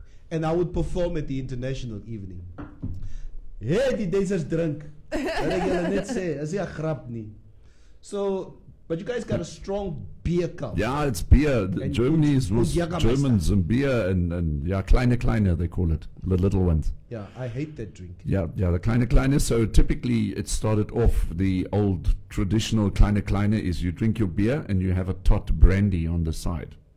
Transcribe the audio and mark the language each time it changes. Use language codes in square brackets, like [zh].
[en] And I would perform at the international evening. [af] Hey, die dancers drink. Wat ek julle net sê, is nie 'n grap nie. [en] So, but you guys got a strong beer cup. Yeah, it's beer. Germany is with Germans and beer and kleine, they call it. The little ones. Yeah, I hate that drink. Yeah, the kleine. So typically it started off the old traditional kleine is you drink your beer and you have a tot brandy on the side.